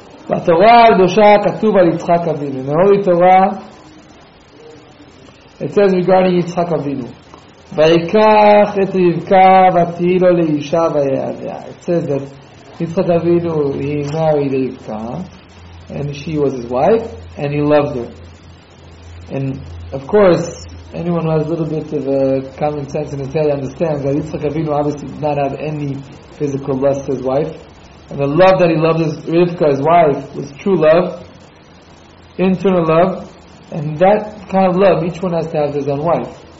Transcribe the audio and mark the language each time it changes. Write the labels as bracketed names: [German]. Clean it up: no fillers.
[Hebrew] בתורה הקדושה כתוב על יצחק אבינו. [English] In the Holy Torah, it says regarding יצחק אבינו. [Hebrew] ויקח את רבקה ותהי לו לאישה ויעדיה. [English] It says that Yitzchak Avinu, he married Rivka, and she was his wife, and he loved her. And of course, anyone who has a little bit of a common sense in his head understands that Yitzchak Avinu obviously did not have any physical lust to his wife, and the love that he loved his Rivka, his wife, was true love, internal love, and that kind of love each one has to have his own wife.